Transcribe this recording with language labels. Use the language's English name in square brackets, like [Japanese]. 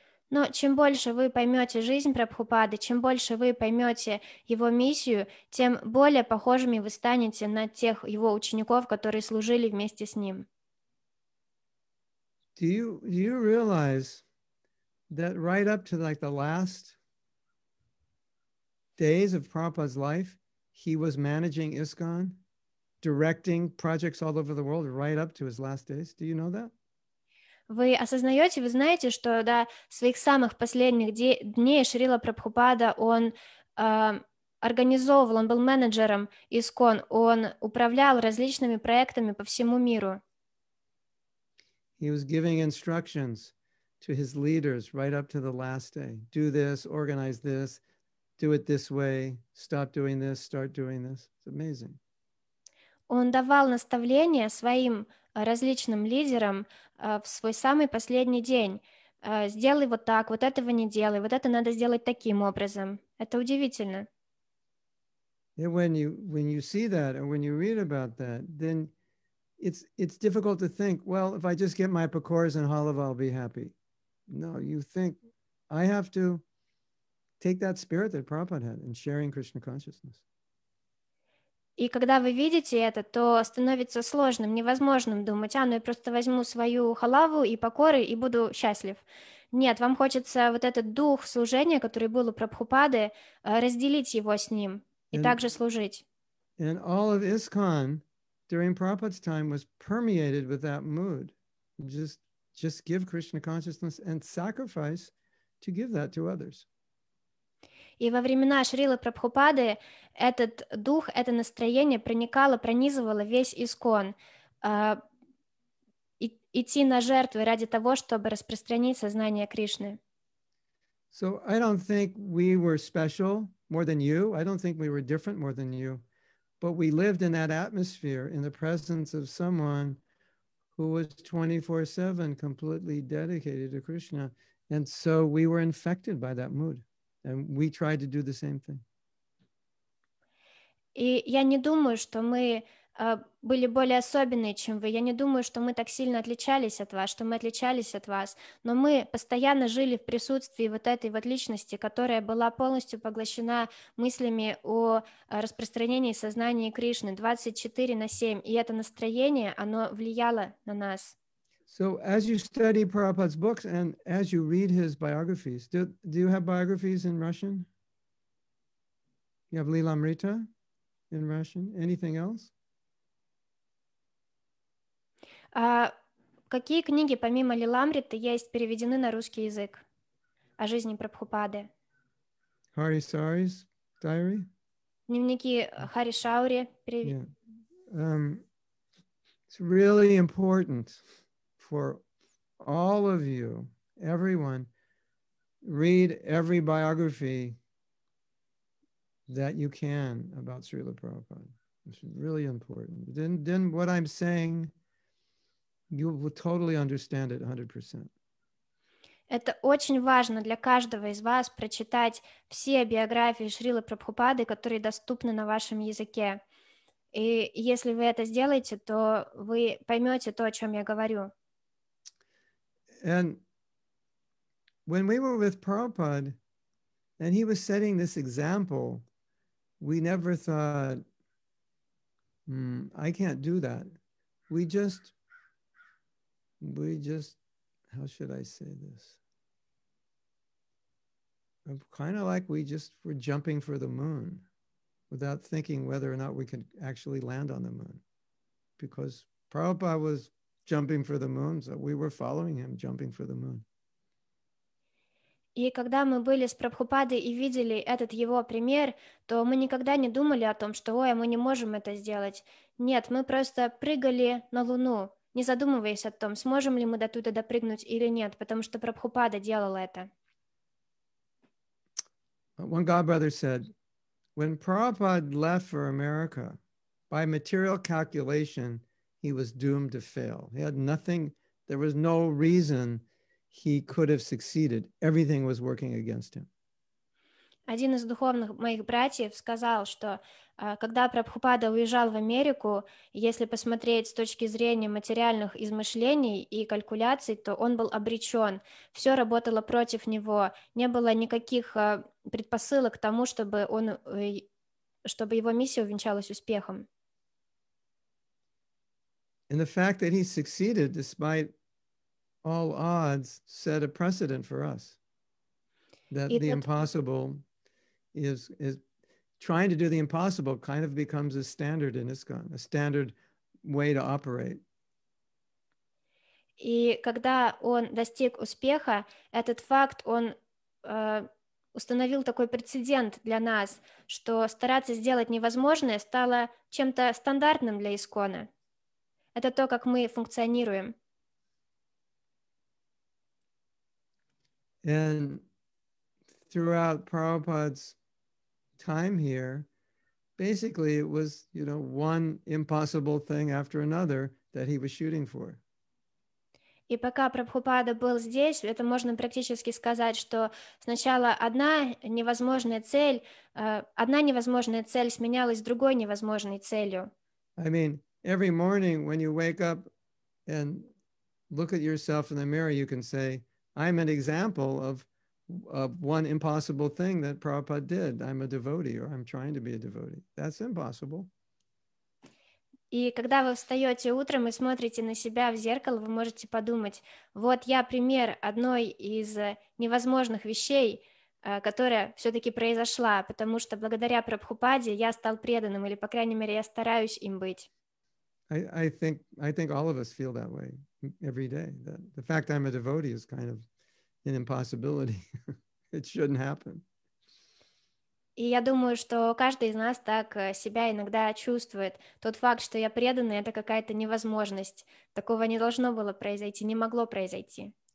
[Russian] Но чем больше вы поймете жизнь Прабхупады, чем больше вы поймете его миссию, тем более похожими вы станете на тех его учеников, которые служили вместе с ним. [English] Do you realize that right up to like the last days of Prabhupada's life, he was managing ISKCON, directing projects all over the world right up to his last days? Do you know that? [Russian] Вы осознаете, вы знаете, что до своих самых последних дней Шрила Прабхупада, он организовывал, он был менеджером ИСКОН, он управлял различными проектами по всему миру. [English] He was giving instructions to his leaders right up to the last day. Do this, organize this, do it this way, stop doing this, start doing this. It's amazing. [Russian] Он давал наставления своим различным лидерам в свой самый последний день. Сделай вот так, вот этого не делай, вот это надо сделать таким образом. Это удивительно. [English] And when you see that, or when you read about that, then it's difficult to think, well, if I just get my pakoras and halava, I'll be happy. No, you think, I have to take that spirit that Prabhupada had in sharing Krishna consciousness. [Russian] И когда вы видите это, то становится сложным, невозможным думать, а, ну я просто возьму свою халаву и покоры и буду счастлив. Нет, вам хочется вот этот дух служения, который был у Прабхупады, разделить его с ним и также служить. [English] And all of ISKCON during Prabhupada's time was permeated with that mood. Just give Krishna consciousness and sacrifice to give that to others. [Russian] И во времена Шрилы Прабхупады этот дух, это настроение проникало, пронизывало весь ИСКОН. Идти на жертвы ради того, чтобы распространить сознание Кришны. [English] So I don't think we were special more than you. I don't think we were different more than you. But we lived in that atmosphere in the presence of someone who was 24/7 completely dedicated to Krishna. And so we were infected by that mood. And we tried to do the same thing. [Russian] И я не думаю, что мы были более особенные, чем вы. Я не думаю, что мы так сильно отличались от вас, что мы отличались от вас. Но мы постоянно жили в присутствии вот этой вот личности, которая была полностью поглощена мыслями о распространении сознания Кришны 24/7. И это настроение, оно влияло на нас. [English] So as you study Prabhupada's books and as you read his biographies, do you have biographies in Russian? You have Lilamrita in Russian? Anything else? [Russian] Какие книги, помимо Лиламриты, есть переведены на русский язык о жизни Прабхупады? [English] Hari Sari's diary? [Russian] Дневники Хари Шаури. [English] It's really important for all of you, everyone, read every biography that you can about Srila Prabhupada. It's really important. Then what I'm saying, you will totally understand it 100%. [Russian] Это очень важно для каждого из вас прочитать все биографии Шрилы Прабхупады, которые доступны на вашем языке. И если вы это сделаете, то вы поймете то, о чем я говорю. [English] And when we were with Prabhupada and he was setting this example, we never thought, I can't do that. We just, how should I say this? Kind of like we just were jumping for the moon without thinking whether or not we could actually land on the moon, because Prabhupada was jumping for the moon, so we were following him, jumping for the moon. [Russian] И когда мы были с Прабхупадой и видели этот его пример, то мы никогда не думали о том, что, ой, мы не можем это сделать. Нет, мы просто прыгали на Луну, не задумываясь о том, сможем ли мы до туда допрыгнуть или нет, потому что Прабхупада делал это. [English] One God brother said, when Prabhupada left for America, by material calculation, he was doomed to fail. He had nothing, there was no reason he could have succeeded. Everything was working against him. [Russian] Один из духовных моих братьев сказал, что когда Прабхупада уезжал в Америку, если посмотреть с точки зрения материальных измышлений и калькуляций, то он был обречен. Все работало против него. Не было никаких предпосылок к тому, чтобы его миссия увенчалась успехом. [English] And the fact that he succeeded despite all odds set a precedent for us. Is trying to do the impossible kind of becomes a standard in ISKCON, a standard way to operate. [Russian] И когда он достиг успеха, этот факт, он установил такой прецедент для нас, что стараться сделать невозможное стало чем-то стандартным для ИСКОНа. Это то, как мы функционируем. [English] And throughout Prabhupada's time here, basically it was, you know, one impossible thing after another that he was shooting for. [Russian] И пока Прабхупада был здесь, это можно практически сказать, что сначала одна невозможная цель сменялась другой невозможной целью. [English] I mean, every morning when you wake up and look at yourself in the mirror, you can say, I'm an example of one impossible thing that Prabhupada did. I'm a devotee, or I'm trying to be a devotee. That's impossible. [Russian] И когда вы встаете утром и смотрите на себя в зеркало, вы можете подумать, вот я пример одной из невозможных вещей, которая все-таки произошла, потому что благодаря Прабхупаде я стал преданным, или, по крайней мере, я стараюсь им быть. [English] I think all of us feel that way every day. The fact I'm a devotee is kind of an impossibility. It shouldn't happen. [Russian] И я думаю, что каждый из нас так себя иногда чувствует. Тот факт, что я преданный, это какая-то невозможность. Такого не должно было произойти, не могло произойти.